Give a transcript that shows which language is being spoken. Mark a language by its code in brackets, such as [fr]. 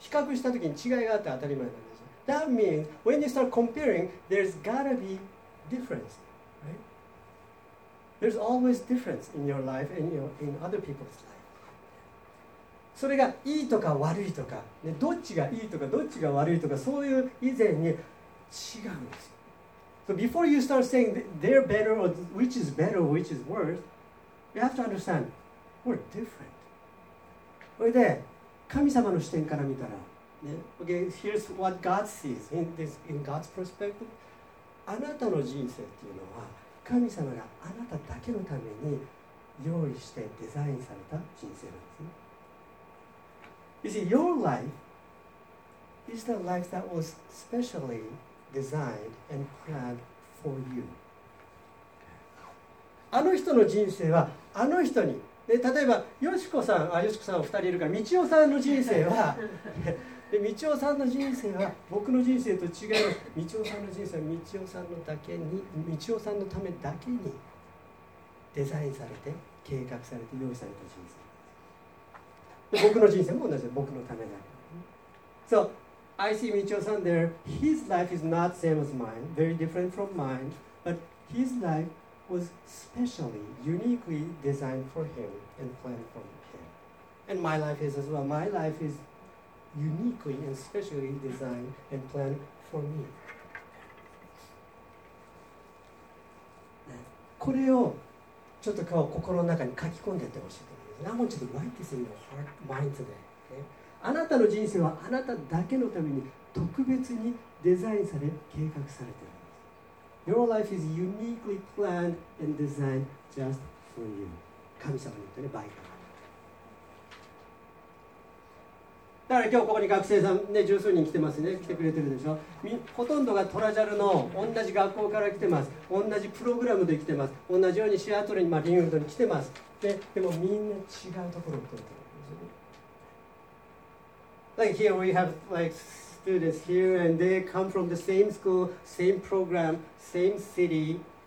[ja] 比較したときに違いがあって当たり前なんです。 [en] That means, when you start comparing, there's gotta be difference, right? There's always difference in your life and in other people's life. [ja] それがいいとか悪いとか、ね、どっちがいいとかどっちが悪いとか、そういう以前に違うんですよ。 [en] So before you start saying they're better or which is better or which is worse, you have to understand we're different. [ja] それで神様の視点から見たら、ね、 [en] Okay, here's what God sees in this in God's perspective. [ja] あなたの人生っていうのは神様があなただけのために用意してデザインされた人生なんですね。 [en] You see, your life is the life that was specially designed and planned for you. [ja] あの人の人生はあの人に、で例えばよしこさん、あ、よしこさんは2人いるから、みちおさんの人生は、でみちおさんの人生は僕の人生と違う。みちおさんの人生はみちおさんのだけに、みちおさんのためだけにデザインされて計画されて用意された人生です。で僕の人生も同じで僕のためだ。 [en] So I see みちおさん there. His life is not same as mine. Very different from mine. But his life was specially, uniquely designed for him and planned for him. And my life is as well. My life isUniquely and specially designed and planned for me. [ja] これをちょっと心の中に書き込んでいってほしいと思います。 [en] I want you to write this in your heart, mind today. [ja] あなたの人生はあなただけのために特別にデザインされ、計画されているんです。 [en] Your life is uniquely planned and designed just for you. [ja] 神様によってね、バイク。だから今日ここに学生さんね、十数人来てますね、来てくれてるでしょ。ほとんどがトラジャルの同じ学校から来てます。同じプログラムで来てます。同じようにシアトルに、まあ、リンウッドに来てます。でもみんな違うところを来てるんですよね。 [en] Like here we have like students here and they come from the same school, same program, same city.